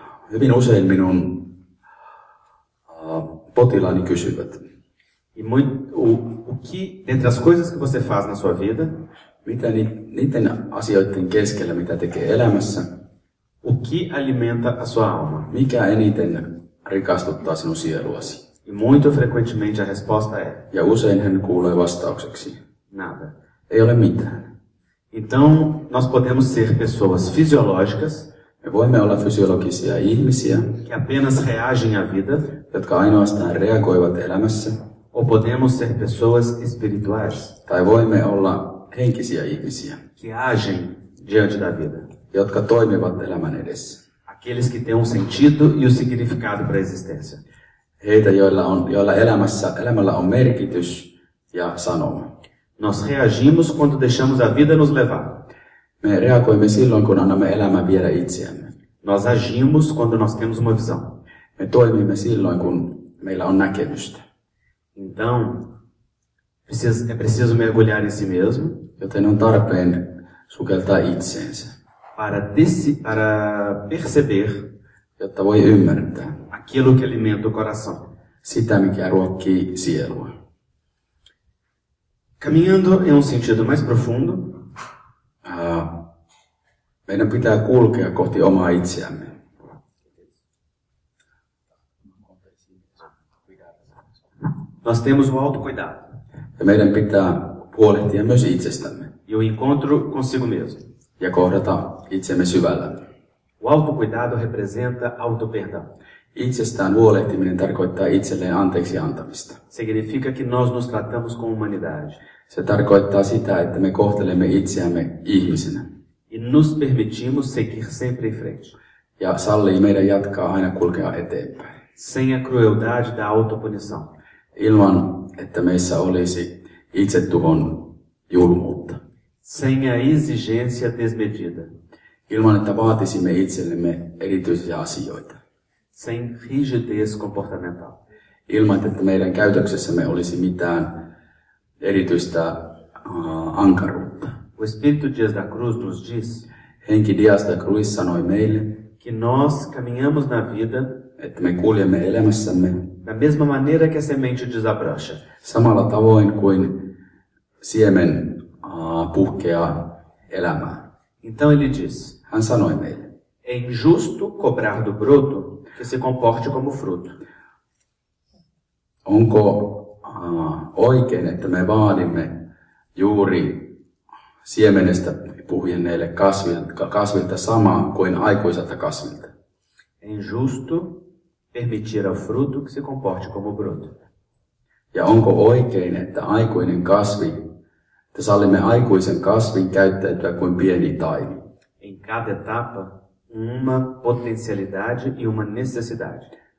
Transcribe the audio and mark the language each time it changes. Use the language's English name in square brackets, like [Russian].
[Finnish] Hyvin usein minun potilaani kysyvät. [Portuguese] O que dentre as coisas que você faz na sua vida? [Finnish] Mitä niiden asioiden keskellä, mitä tekee elämässä? [Portuguese] O que alimenta a sua alma? [Finnish] Mikä eniten rikastuttaa sinun sieluasi? [Portuguese] E muito frequentemente a resposta é. [Finnish] Ja usein hän kuulee vastaukseksi. [Portuguese] Nada. [Finnish] Ei ole mitään. [Portuguese] Então, nós podemos ser pessoas fisiológicas. [Finnish] Me voimme olla fysiologisia ihmisiä. [Portuguese] Que apenas reagem à vida. [Finnish] Jotka ainoastaan reagoivat elämässä. [Portuguese] Ou podemos ser pessoas espirituais. [Finnish] Tai voimme olla henkisiä ihmisiä. [Portuguese] Que agem diante da vida. [Finnish] Jotka toimivat elämän edessä. [Portuguese] Aqueles que têm um sentido e um significado para a existência. [Finnish] Heitä, joilla elämällä on merkitys ja sanoma. [Portuguese] Nós reagimos quando deixamos a vida nos levar. [Finnish] Me reagoimme silloin, kun annamme elämä viedä itseämme. [Portuguese] Nós agimos quando nós temos uma visão. [Finnish] Me toimimme silloin, kun meillä on näkemystä. [Portuguese] Então, é preciso mergulhar em si mesmo. [Finnish] Joten on tarpeen sukeltaa itseensä. [Portuguese] Para perceber, [Finnish] jotta voi ymmärtää, [Portuguese] aquilo que alimenta o coração. [Finnish] Sitä, mikä ruokkii sielua. [Portuguese] Caminhando em sentido mais profundo, [Finnish] meidän pitää kulkea kohti omaa itseämme. [Portuguese] Nós temos o autocuidado. [Finnish] Ja meidän pitää huolehtia myös itsestämme. [Portuguese] E o encontro consigo mesmo. [Finnish] Ja kohdata itsemme syvällä. [Portuguese] O autocuidado representa autoperdão. [Finnish] Itsestään huolehtiminen tarkoittaa itselleen anteeksi antamista. [Portuguese] Significa que nós nos tratamos com humanidade. [Finnish] Se tarkoittaa sitä, että me kohtelemme itseämme ihmisenä. [Portuguese] E nos permitimos seguir sempre em frente. [Finnish] Ja sallii meidän jatkaa aina kulkea eteenpäin. [Portuguese] Sem a crueldade da autopunição. [Finnish] Ilman, että meissä olisi itsetuhon julmuutta. [Portuguese] Sem a exigência desmedida. [Finnish] Ilman, että vaatisimme itsellemme erityisiä asioita. [Portuguese] Sem rigidez comportamental. [Finnish] Ilman, että meidän käytöksessämme olisi mitään erityistä ankaruutta. [Portuguese] O Espírito Dias da Cruz nos diz, [Finnish] Henki Dias da Cruz sanoi meille, [Portuguese] que nós caminhamos na vida, [Finnish] että me kuljemme elämässämme, [Portuguese] da mesma maneira que a semente desabrocha. [Finnish] Samalla tavoin kuin siemen puhkeaa elämää. [Portuguese] Então ele diz, [Finnish] hän sanoi meille, [Portuguese] é injusto cobrar do broto que se comporte como fruto. [Finnish] Onko oikein, että me vaadimme juuri siemenestä puhjenneille kasvilta samaa kuin aikuiselta kasvilta? [Portuguese] É injusto permitir ao fruto que se comporte como broto. [Finnish] Ja onko oikein, että aikuinen kasvi, että sallimme aikuisen kasvin käyttäytyä kuin pieni taimi? [Portuguese] Em cada etapa, uma potencialidade e uma necessidade.